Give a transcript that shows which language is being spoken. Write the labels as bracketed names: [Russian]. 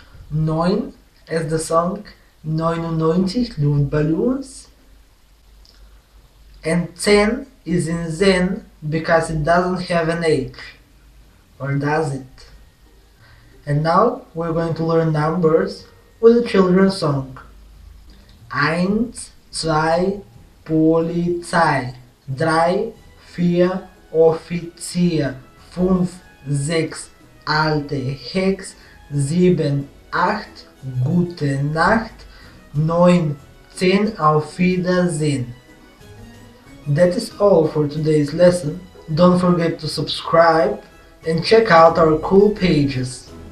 [English] 9 as the song 99 Luftballons, and 10 is in Zen because it doesn't have an H, or does it? And now we're going to learn numbers with a children's song. [German] 1, 2, Polizei, 3, 4, Offizier, 5, 6, alte Hex, 7, 8, gute Nacht, 9, 10, auf Wiedersehen. [English] That is all for today's lesson. Don't forget to subscribe and check out our cool pages.